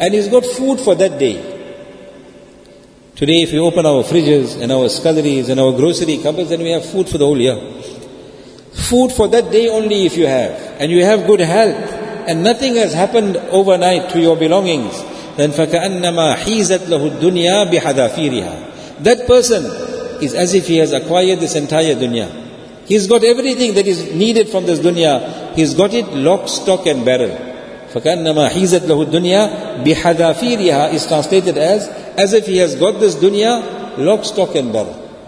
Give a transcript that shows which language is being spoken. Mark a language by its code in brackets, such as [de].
[en] And he's got food for that day. Today if we open our fridges and our sculleries and our grocery cupboards, then we have food for the whole year. Food for that day only if you have. And you have good health. And nothing has happened overnight to your belongings. [ar] Then فَكَأَنَّمَا حِيزَتْ لَهُ الدُّنْيَا بِحَذَافِيرِهَا. [en] That person is as if he has acquired this entire dunya. He's got everything that is needed from this dunya. He's got it lock, stock and barrel. [ar] فَكَأَنَّمَا حِيزَتْ لَهُ الدُّنْيَا بِحَذَافِيرِهَا [en] is translated as if he has got this dunya lock, stock and barrel.